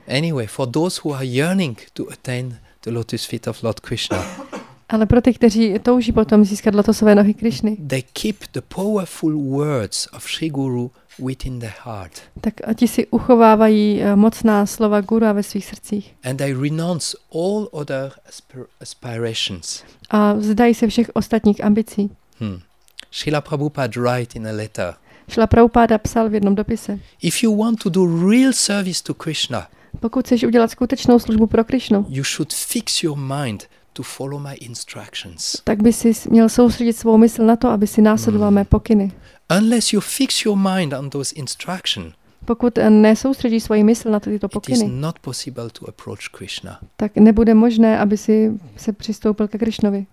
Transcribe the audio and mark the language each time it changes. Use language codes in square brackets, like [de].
[en] Anyway, for those who are yearning to attain the lotus feet of Lord Krishna. [cs] Ale pro ty, kteří touží potom získat lotosové nohy Krishny. [en] They keep the powerful words of Sri Guru within their heart. [cs] Tak a ti si uchovávají mocná slova Gura ve svých srdcích. [en] And they renounce all other aspirations. [cs] A vzdají se všech ostatních ambicí. [en] Srila Prabhupada write in a letter. [cs] Srila Prabhupada psal v jednom dopise. [en] If you want to do real service to Krishna. [cs] Pokud chceš udělat skutečnou službu pro Krishnu. [en] You should fix your mind to follow my instructions. [cs] Tak by si měl soustředit svou mysl na to, aby si následoval mé pokyny. [en] Unless you fix your mind on those instructions. [cs] Pokud nesoustředíš svoji mysl na tyto pokyny. [en] It is not possible to approach Krishna. [cs] Tak nebude možné, aby si se přistoupil ke Krishnovi.